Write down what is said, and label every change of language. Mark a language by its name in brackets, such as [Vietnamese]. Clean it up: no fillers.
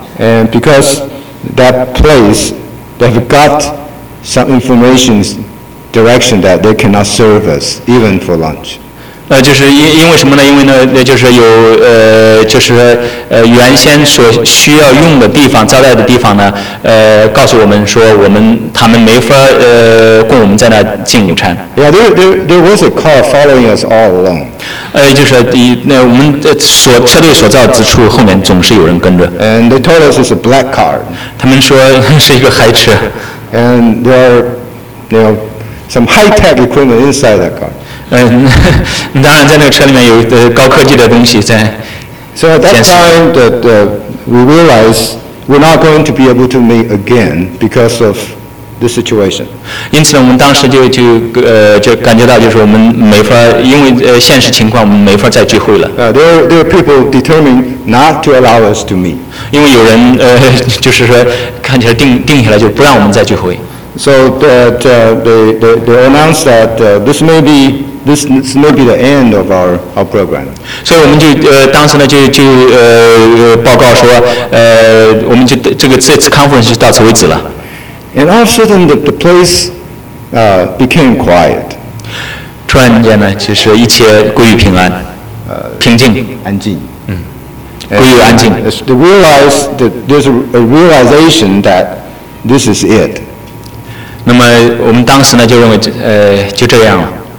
[English] And because that place they've got some information direction that they cannot serve us even for lunch. [Chinese] 就是因为什么呢？因为呢，就是有就是原先所需要用的地方招待的地方呢，告诉我们说他们没法供我们在那进午餐。 [English] Yeah, there was a car following us all along. [Chinese] 就是那我们所车队所在之处后面总是有人跟着。 [English] And they told us it's a black car. [Chinese] 他们说是一个黑车。 [English] And there are, you know, some high-tech equipment inside that car. [Chinese] 当然在那个车里面有高科技的东西在。 [English] So at that time that we realized we're not going to be able to meet again because of the situation. [Chinese] 因此呢，我们当时就感觉到就是我们没法，因为现实情况我们没法再聚会了。 [English] There are people determined not to allow us to meet. [Chinese] 因为有人就是说看起来定下来就不让我们再聚会。 [English] So they announced that this may be the end of our program. [Chinese] 所以我们就当时呢就报告说我们就这次 conference 就到此为止了。 [English] And all of a sudden the place became quiet. [Chinese] 突然间呢就是一切归于平安，平静，安静，归于安静。 [English] They realized that there's a realization that this is it. [Chinese] 那么我们当时呢就认为就这样了。